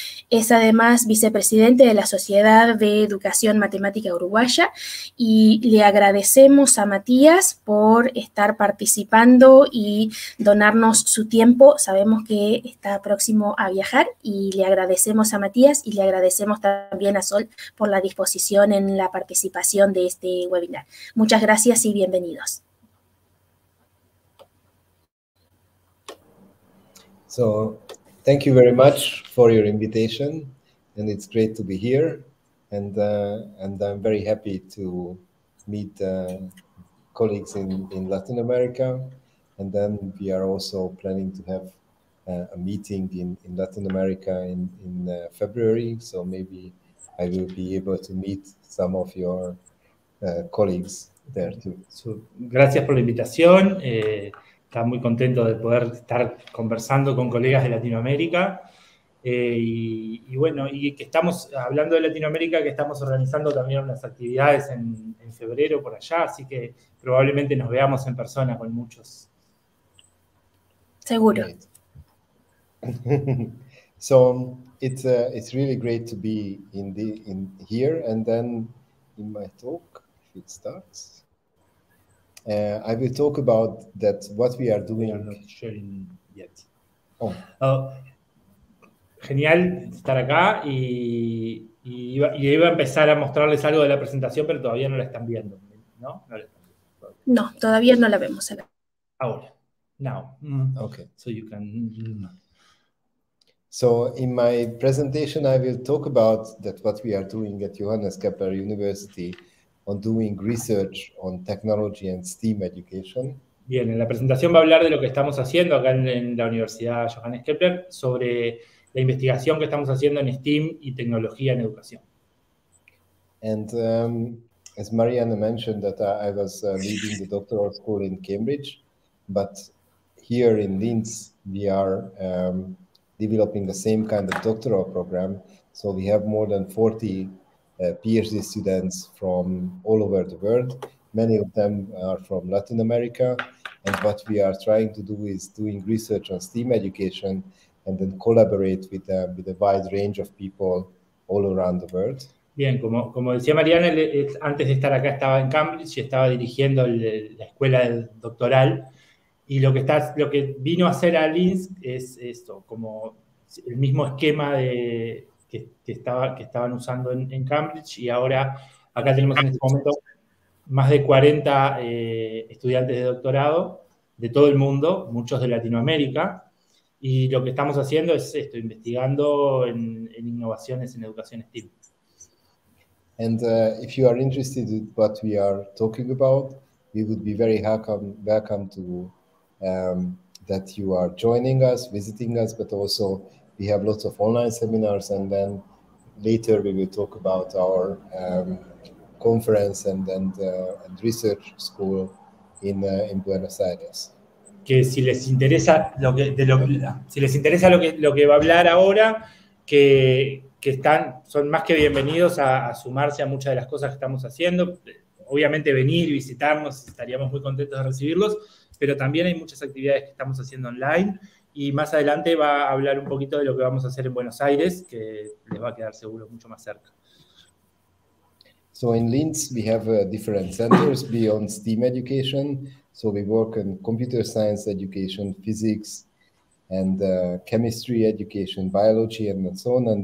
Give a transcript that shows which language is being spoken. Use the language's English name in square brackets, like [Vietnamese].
[Spanish] Es además vicepresidente de la Sociedad de Educación Matemática Uruguaya y le agradecemos a Matías por estar participando y donarnos su tiempo. Sabemos que está próximo a viajar y le agradecemos a Matías y le agradecemos también a Sol por la disposición en la participación de este webinar. Muchas gracias y bienvenidos. [English] So, thank you very much for your invitation, and it's great to be here, and I'm very happy to meet colleagues in Latin America, and then we are also planning to have a meeting in Latin America in February, so maybe I will be able to meet some of your colleagues there too. [Spanish] So, gracias por la invitación. Está muy contento de poder estar conversando con colegas de Latinoamérica. Y que estamos hablando de Latinoamérica, que estamos organizando también unas actividades en febrero por allá, así que probablemente nos veamos en persona con muchos. Seguro. [English] So it's really great to be in here, and then in my talk, if it starts. I will talk about that, what we are doing. We are not sharing yet. [Spanish] Genial estar acá y iba a empezar a mostrarles algo de la presentación, pero todavía no la están viendo, ¿no? No, todavía no la vemos. Ahora. [English] Now. Okay. So you can... So in my presentation, I will talk about that what we are doing at Johannes Kepler University on doing research on technology and STEAM education. [Spanish] Bien, en la presentación va a hablar de lo que estamos haciendo acá en la Universidad Johannes Kepler sobre la investigación que estamos haciendo en STEAM y tecnología en educación. [English] And as Mariana mentioned that I was leading the doctoral school in Cambridge, but here in Linz we are developing the same kind of doctoral program, so we have more than 40 PhD students from all over the world. Many of them are from Latin America. And what we are trying to do is doing research on STEAM education and then collaborate with a wide range of people all around the world. [Spanish] Bien, como decía Mariana, antes de estar acá estaba en Cambridge y estaba dirigiendo la escuela doctoral. Y lo que vino a hacer a Linz es esto, como el mismo esquema de... Que estaban usando en Cambridge y ahora acá tenemos en este momento más de 40 estudiantes de doctorado de todo el mundo, muchos de Latinoamérica, y lo que estamos haciendo es esto, investigando en innovaciones en educación STEM. [English] And if you are interested in what we are talking about, we would be very welcome to that you are joining us, visiting us, but also we have lots of online seminars, and then later we will talk about our conference and research school in Buenos Aires. [Spanish] Que si les interesa lo que de lo, si les interesa lo que va a hablar ahora, que están, son más que bienvenidos a sumarse a muchas de las cosas que estamos haciendo. Obviamente venir y visitarnos, estaríamos muy contentos de recibirlos, pero también hay muchas actividades que estamos haciendo online, y más adelante va a hablar un poquito de lo que vamos a hacer en Buenos Aires, que les va a quedar seguro mucho más cerca. [English] So in Linz we have different centers beyond STEM education. So we work in computer science education, physics, and chemistry education, biology, and so on.